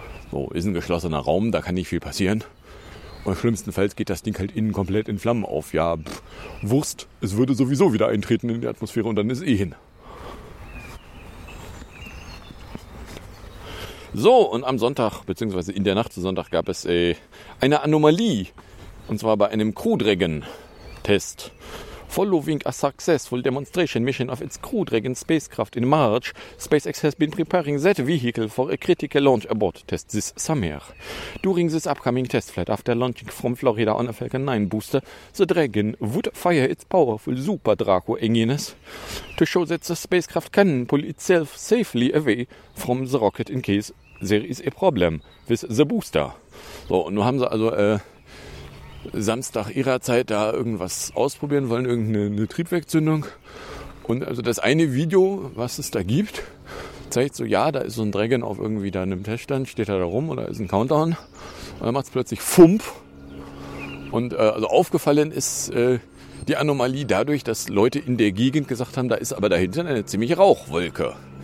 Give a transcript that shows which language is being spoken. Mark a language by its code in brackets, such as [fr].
[de] So, ist ein geschlossener Raum, da kann nicht viel passieren. Und schlimmstenfalls geht das Ding halt innen komplett in Flammen auf. Ja, Wurst, es würde sowieso wieder eintreten in die Atmosphäre und dann ist hin. So, und am Sonntag, beziehungsweise in der Nacht zu Sonntag, gab es eine Anomalie. Und zwar bei einem Crew Dragon Test. [en] Following a successful demonstration mission of its Crew Dragon spacecraft in March, SpaceX has been preparing that vehicle for a critical launch abort test this summer. During this upcoming test flight after launching from Florida on a Falcon 9 booster, the Dragon would fire its powerful Super Draco engines to show that the spacecraft can pull itself safely away from the rocket in case there is a problem with the booster. [de] So, und nun haben sie also Samstag ihrer Zeit da irgendwas ausprobieren wollen, irgendeine Triebwerkzündung. Und also das eine Video, was es da gibt, zeigt so, ja, da ist so ein Dragon auf irgendwie da einem Teststand, steht da rum oder ist ein Countdown. Und dann macht es plötzlich Fump. Und also aufgefallen ist die Anomalie dadurch, dass Leute in der Gegend gesagt haben, da ist aber dahinter eine ziemliche Rauchwolke.